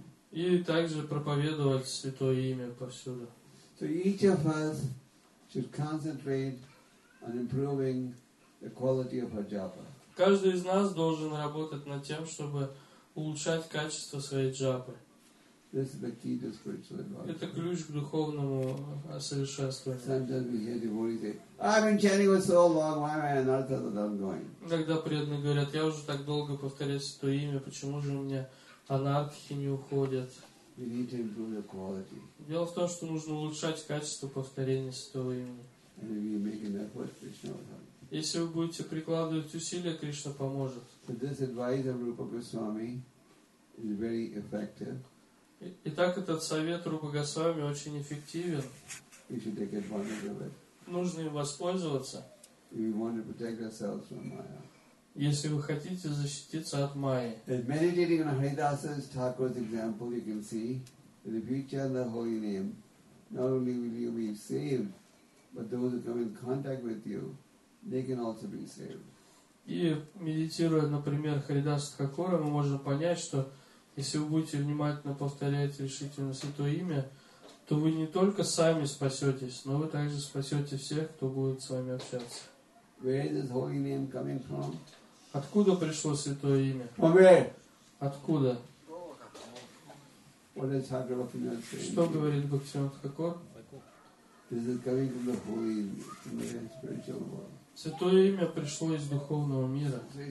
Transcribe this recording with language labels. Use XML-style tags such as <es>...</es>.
<ru>И также проповедовать Святое Имя повсюду.</ru> <en>So each of us should concentrate on improving the quality of our japa.</en> <ru>Каждый из нас должен работать над тем, чтобы улучшать качество своей джапы. Это ключ к духовному совершенствованию. Иногда преданные говорят, я уже так долго повторяю Святое Имя, почему же у меня анархи не уходят? Дело в том, что нужно улучшать качество повторения Святого Имени. Если вы будете прикладывать усилия, Кришна поможет.</ru> <en>Is very effective.</en> <ru>Итак, этот совет Рупа Госвами очень эффективен.</ru> <en>We should take advantage of it.</en> <ru>Нужно им воспользоваться.</ru> <en>We want to protect ourselves from Maya.</en> <ru>Если вы хотите защититься от майи.</ru> <en>As meditating on Haridasa's Thakur's example, you can see that if you chant the holy name, not only will you be saved, but those who come in contact with you, they can also be saved.</en> <ru>И медитируя, например, Харидаса Такура, мы можем понять, что если вы будете внимательно повторять решительно святое имя, то вы не только сами спасетесь, но вы также спасете всех, кто будет с вами общаться.</ru> <en>Where is this holy name coming from?</en> <ru>Откуда пришло святое имя?</ru> <en>From where?</en> <ru>Откуда?</ru> <en>What is Hagravakina saying?</en> <ru>Что говорит Бхактивинода Такур?</ru> <en>This is coming from the holy name, from the spiritual world.</en> <ru>Святое имя пришло из духовного мира.</ru>